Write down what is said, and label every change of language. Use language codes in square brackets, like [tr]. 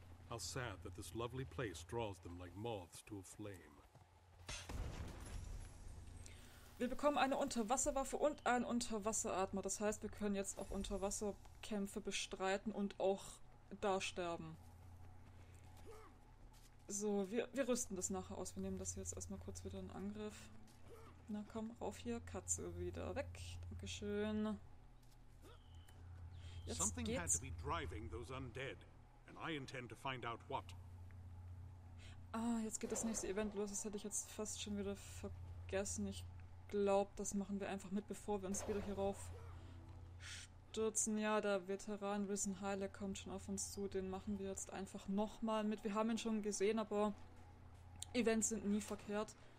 [en] How sad that this lovely place draws them like moths to a flame. [de] Wir bekommen eine Unterwasserwaffe und einen Unterwasseratmer. Das heißt, wir können jetzt auch Unterwasserkämpfe bestreiten und auch da sterben. So, wir rüsten das nachher aus. Wir nehmen das jetzt erstmal kurz wieder in Angriff. Na komm, rauf hier. Katze wieder weg. Dankeschön. Jetzt geht's. [en] Something had to be driving those undead. And I intend to find out what. [de] Ah, jetzt geht das nächste Event los. Das hätte ich jetzt fast schon wieder vergessen. Ich glaube, das machen wir einfach mit, bevor wir uns wieder hierauf stürzen. Ja, der Veteran Risen Heiler kommt schon auf uns zu. Den machen wir jetzt einfach nochmal mit. Wir haben ihn schon gesehen, aber Events sind nie verkehrt.